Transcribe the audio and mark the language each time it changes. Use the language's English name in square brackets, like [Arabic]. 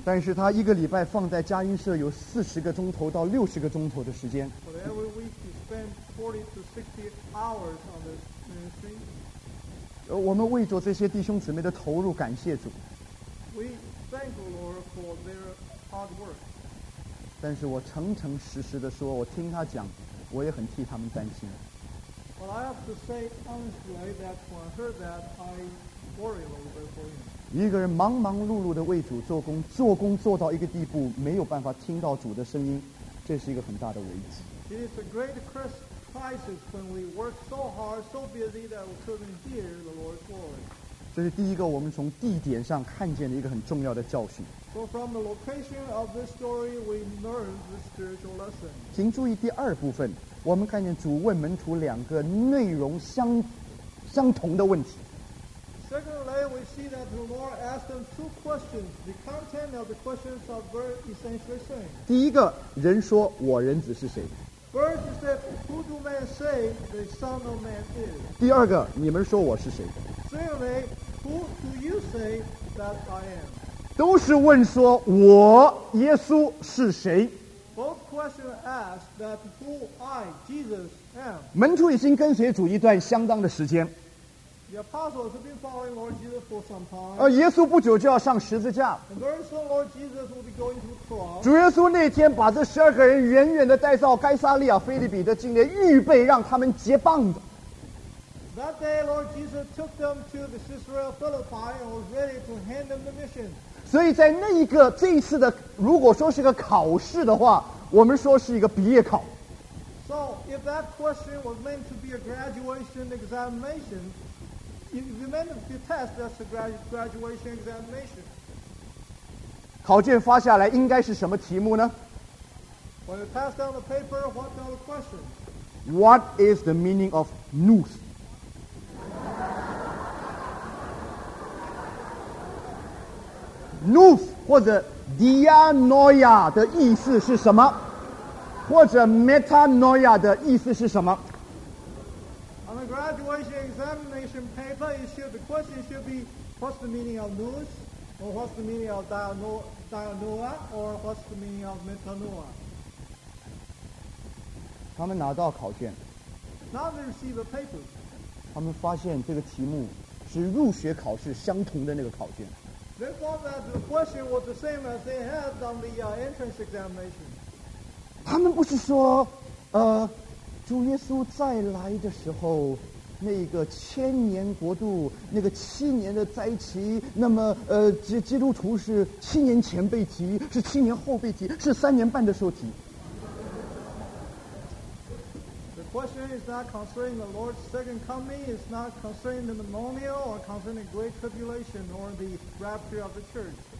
[Chinese] 但是他一个礼拜放在佳音社有40-60个钟头的时间。 [English] For every week. Spend 40-60 hours on this ministry. [Chinese] 我们为着这些弟兄姊妹的投入感谢主。 [English] We thank the Lord for their hard work. [Chinese] 但是我诚诚实实地说，我听他讲，我也很替他们担心。 [English] Well, I have to say honestly that when I heard that, I worry a little bit for him. [Chinese] 一个人忙忙碌碌地为主做工，做工做到一个地步，没有办法听到主的声音，这是一个很大的危机。 [English] It is a great crisis when we work so hard, so busy that we couldn't hear the Lord's voice. [Chinese] 这是第一个我们从地点上看见的一个很重要的教训。 [English] So from the location of this story, we learn the spiritual lesson. [Chinese] 请注意第二部分，我们看见主问门徒两个内容相同的问题。 [English] Secondly, we see that the Lord asked them two questions. The content of the questions are very essentially the same. [Chinese] 第一个，人说我人子是谁？ [English] First, he said, who do men say the Son of Man is? [Chinese] 第二个，你们说我是谁？ [English] Thirdly, who do you say that I am? [Chinese] 都是问说我耶稣是谁？ [English] Both questions ask that who I, Jesus, am. [Chinese] 门徒已经跟随主一段相当的时间。 [English] The apostles have been following Lord Jesus for some time. [Chinese] 耶稣不久就要上十字架。 [English] And very soon Lord Jesus will be going to the cross. [Chinese] 主耶稣那天把这十二个人远远地带到该撒利亚腓立比的境内，预备让他们结棒的。 [English] That day Lord Jesus took them to the Caesarea Philippi and was ready to hand them the mission. [Chinese] 所以在那一个这一次的，如果说是个考试的话，我们说是一个毕业考。 [English] So if that question was meant to be a graduation examination,If you meant to test, that's a graduation examination. [Chinese] 考卷发下来应该是什么题目呢？ [English] When you pass down the paper, what are the questions? What is the meaning of noose? [Chinese] Noose 或者 dianoia 的意思是什么？或者 metanoia 的意思是什么？ [English] On the graduation examination paper, the question should be, what's the meaning of nous, or what's the meaning of dianoia, or what's the meaning of metanoia? [Chinese] 他们拿到考卷。 [English] Now they receive a paper. [Chinese] 他们发现这个题目是入学考试相同的那个考卷。 [English] They found that the question was the same as they had on the entrance examination. [Chinese] 他们不是说，主耶稣再来的时候，那个千年国度，那个七年的灾期，那么基督徒是七年前被提，是七年后被提，是三年半的时候提。 [English] The question is not concerning the Lord's second coming, it's not concerning the millennial or concerning the great tribulation or the rapture of the church.